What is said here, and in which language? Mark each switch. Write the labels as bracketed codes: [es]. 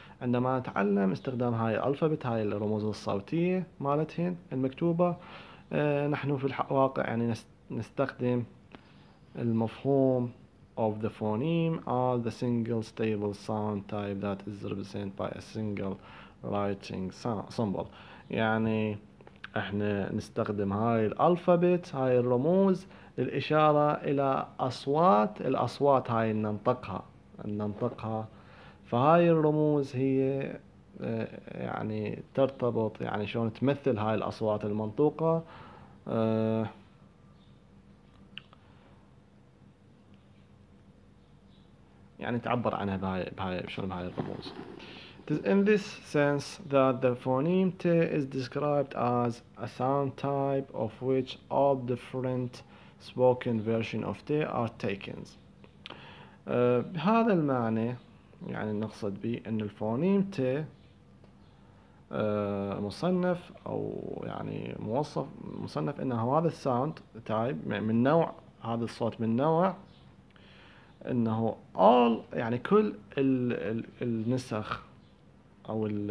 [ar] عندما نتعلم استخدام هاي الألفابت، هاي الرموز الصوتية مالتهن المكتوبة، نحن في الواقع يعني نستخدم المفهوم [en] of the phoneme as the single stable sound type that is represented by a single writing symbol. [ar] يعني احنا نستخدم هاي الألفابت، هاي الرموز، للإشارة إلى أصوات، الأصوات هاي ننطقها. فهاي الرموز هي يعني ترتبط، يعني شلون تمثل هاي الأصوات المنطوقة. يعني تعبر عنها بهاي شلون بهاي الرموز. [en] It is in this sense that the phoneme T is described as a sound type of which all different spoken version of T are taken. [ar] بهذا المعنى يعني نقصد به ان الفونيم ت مصنف او يعني موصف مصنف انه هذا الساوند تايب من نوع، هذا الصوت من نوع انه all يعني كل النسخ او